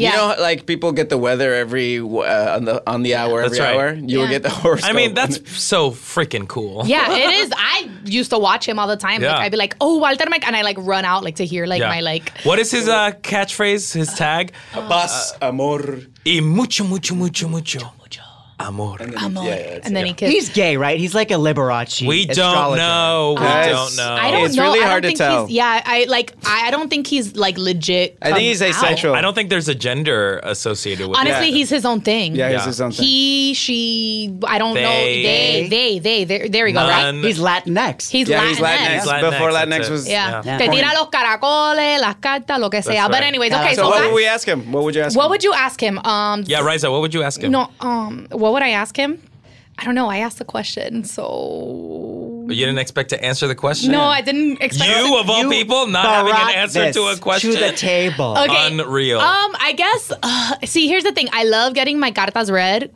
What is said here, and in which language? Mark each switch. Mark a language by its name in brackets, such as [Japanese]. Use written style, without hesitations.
[English] Yeah. You know, like people get the weather every on the hour, that's every right. hour. You will get the horoscope. I mean, that's so freaking cool. Yeah, it is. I used to watch him all the time. Yeah. Like, I'd be like, oh, Walter Mike. And I like run out like to hear my. What is his catchphrase, his tag? [Spanish] Paz, amor. Y mucho, mucho, mucho, mucho. Amor. [English] And then he He's gay, right? He's like a Liberace. We don't know. It's really hard to tell. I don't think he's legit. I think he's asexual. I don't think there's a gender associated with Honestly, he's his own thing. Yeah, he's his own thing. He, she, I don't they, know. There you go, right? He's Latinx. He's Latinx. Before Latinx was. Yeah. [Spanish] Te tira los caracoles, las cartas, lo que sea. [English] But anyways, okay. So what would we ask him? What would you ask him? Yeah, Raiza, what would you ask him? What would I ask him? I don't know. I asked the question, so... But you didn't expect to answer the question? No, I didn't expect... Not having an answer to a question? To the table. Okay. Unreal. I guess... here's the thing. I love getting my cartas read.